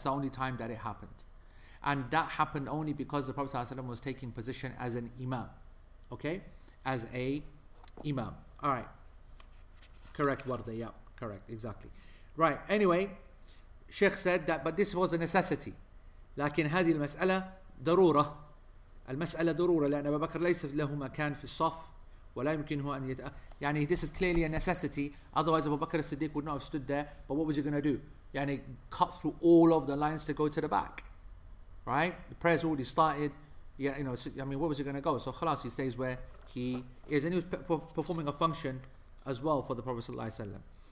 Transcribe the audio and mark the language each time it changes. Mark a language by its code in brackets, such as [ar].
[en] That's the only time that it happened. And that happened only because the Prophet ﷺ was taking position as an imam. Okay? As a imam. All right. Correct, Wardah. Yeah, correct. Exactly. Right. Anyway, Sheikh said that, but this was a necessity. [ar] لكن هذه المسألة ضرورة. المسألة ضرورة لأن أبو بكر ليس له مكان في الصف ولا يمكنه أن يتأ... [en] يعني this is clearly a necessity. Otherwise, Abu Bakr as-Siddiq would not have stood there. But what was he going to do? يعني cut through all of the lines to go to the back. Right? The prayer's already started. Yeah, you know, so, I mean, where was he going to go? So khalas, he stays where he is. And he was performing a function as well for the Prophet Sallallahu Alaihi Wasallam.